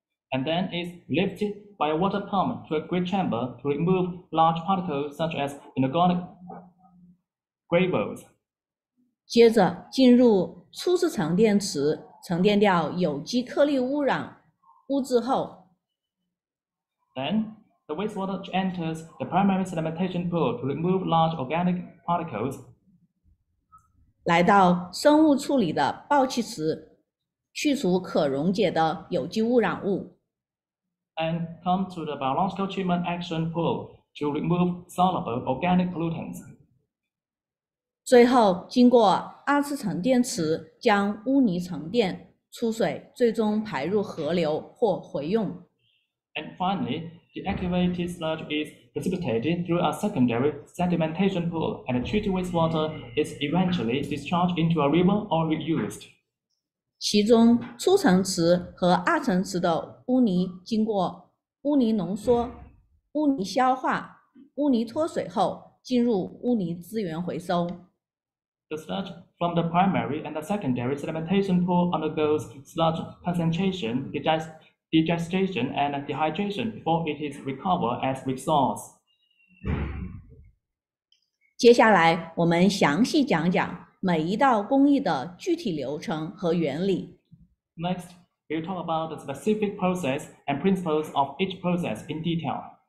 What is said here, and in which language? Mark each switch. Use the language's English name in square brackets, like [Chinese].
[English] And then it's lifted. By a water pump to a grid chamber to remove large particles such as inorganic gravels. [Chinese] 接着进入初次沉淀池，沉淀掉有机颗粒污染物质后。 [English] Then the wastewater enters the primary sedimentation pool to remove large organic particles. [Chinese] 来到生物处理的爆气池，去除可溶解的有机污染物。 [English] And come to the biological treatment action pool to remove soluble organic pollutants. [Chinese] 最后，经过二次沉淀池，将污泥沉淀出水，最终排入河流或回用。 [English] And finally, the activated sludge is precipitated through a secondary sedimentation pool, and treated wastewater is eventually discharged into a river or reused. [Chinese] 其中，初沉池和二沉池的污泥经过污泥浓缩、污泥消化、污泥脱水后，进入污泥资源回收。 [English] The sludge from the primary and the secondary sedimentation pool undergoes sludge concentration, digestion, and dehydration before it is recovered as resource. [Chinese] 接下来，我们详细讲讲每一道工艺的具体流程和原理。 [English] Next, we'll talk about the specific process and principles of each process in detail.